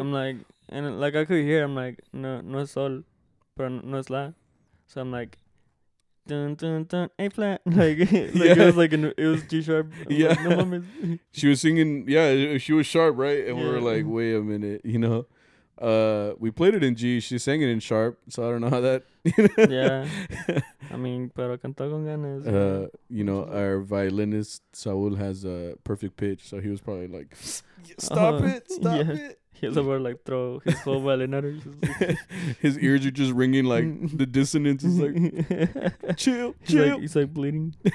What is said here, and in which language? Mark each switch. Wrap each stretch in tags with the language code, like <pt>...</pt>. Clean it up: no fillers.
<en>I'm like, and like I could hear, I'm like,</en> <es>no, no es sol, pero no es la.</es> <en>So I'm like. Dun, dun, dun, A flat. It was G sharp. She was singing. Yeah, she was sharp, right? And we were like, wait a minute. You know, we played it in G. She sang it in sharp. So I don't know how that. I mean,</en> <es>pero cantó con ganas.</es> <en>You know, our violinist Saul has a perfect pitch. So he was probably like, stop it. He was about to like throw his whole violin at her. His ears are just ringing like the dissonance. Is like, chill, chill. He's like bleeding.</en>